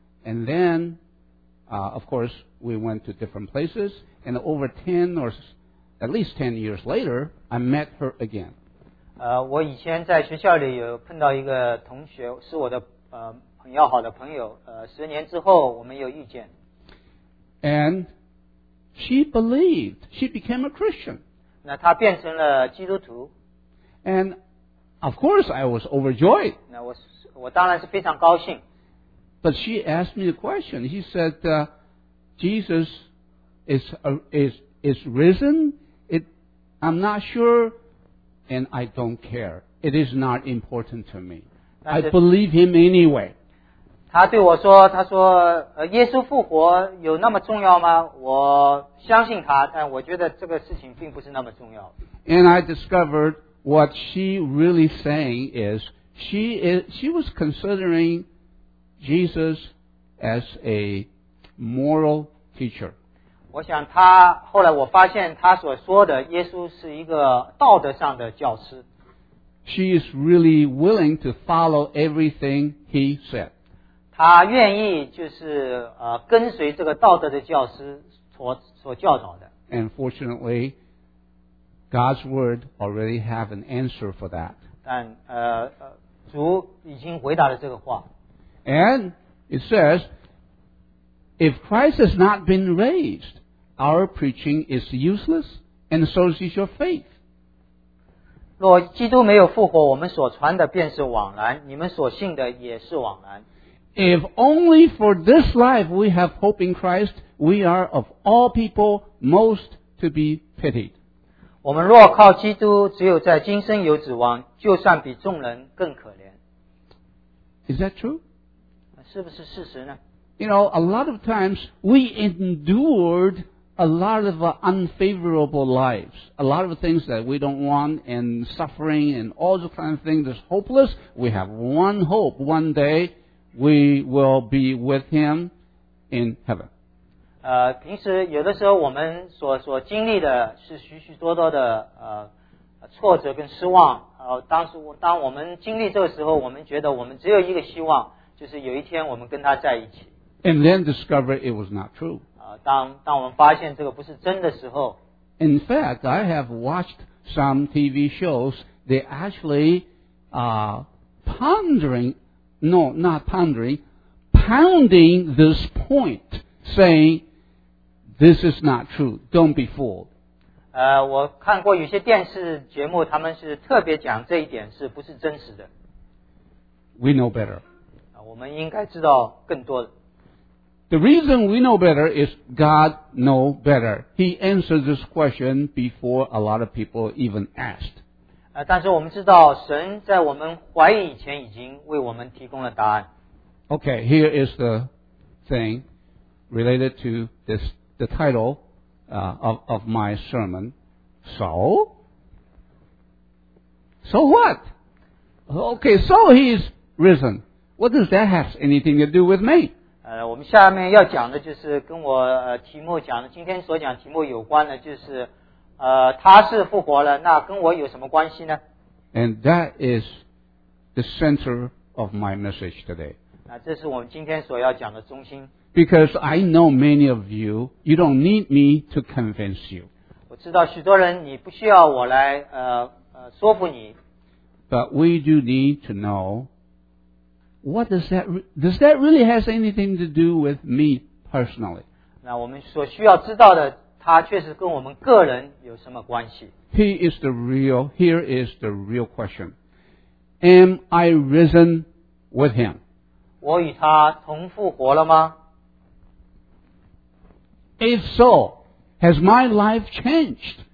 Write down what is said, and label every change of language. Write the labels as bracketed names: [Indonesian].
[English] And then, of course, we went to different places. And over 10 or at least 10 years later, I met her again. [Chinese] 我以前在学校里有碰到一个同学，是我的很要好的朋友。十年之后，我们又遇见。 [English] And she believed. She became a Christian. [Chinese] 那他变成了基督徒。 [English] And Of course, I was overjoyed. [Chinese] 我当然是非常高兴。 [English] But she asked me a question. She said, Jesus is risen. I'm not sure, and I don't care. It is not important to me. I believe him anyway. [Chinese] 他对我说，他说，耶稣复活有那么重要吗？我相信他，但我觉得这个事情并不是那么重要。 [English] And I discovered what she really saying is, she was considering Jesus as a moral teacher. [Chinese] 我想他，后来我发现他所说的耶稣是一个道德上的教师。 [English] She is really willing to follow everything he said. [Chinese] 她愿意就是跟随这个道德的教师所教导的。 [English] And fortunately, God's word already have an answer for that. [Chinese] 但主已经回答了这个话。 [English] And it says, if Christ has not been raised, our preaching is useless, and so is your faith. [Chinese] 若基督没有复活，我们所传的便是枉然，你们所信的也是枉然。 [English] If only for this life we have hope in Christ, we are of all people most to be pitied. [Chinese] 我们若靠基督，只有在今生有指望，就算比众人更可怜。 [English] Is that true? [Chinese] 是不是事实呢？ [English] You know, a lot of times we endured. A lot of unfavorable lives, a lot of things that we don't want, and suffering, and all the kind of things that's hopeless. We have one hope. One day, we will be with Him in heaven. [Chinese] 平时有的时候我们所经历的是许许多多的挫折跟失望。当我们经历这个时候，我们觉得我们只有一个希望，就是有一天我们跟他在一起。 [English] And then discover it was not true. [Chinese] 当我们发现这个不是真的时候 [English] In fact, I have watched some TV shows. They actually pondering, no, not pondering, pounding this point, saying, this is not true. Don't be fooled. [Chinese] 我看过有些电视节目，他们是特别讲这一点是不是真实的。 [English] We know better. [Chinese] 我们应该知道更多的。 [English] The reason we know better is God know better. He answered this question before a lot of people even asked. [Chinese] 但是我们知道神在我们怀疑以前已经为我们提供了答案。 [English] Okay, here is the thing related to this, the title, of my sermon. So? So what? Okay, so he is risen. What does that have anything to do with me? [Chinese] 我们下面要讲的就是跟我题目讲的今天所讲题目有关的就是他是复活了那跟我有什么关系呢 [English] And that is the center of my message today. [Chinese] 那这是我们今天所要讲的中心。 [English] Because I know many of you, you don't need me to convince you. [Chinese] 我知道许多人你不需要我来说服你。 [English] But we do need to know,What does that really has anything to do with me personally? [Chinese] 那我们所需要知道的，它确实跟我们个人有什么关系？ [English] He is the real. Here is the real question: Am I risen with him? [Chinese] 我与他同复活了吗？ [English] If so, has my life changed?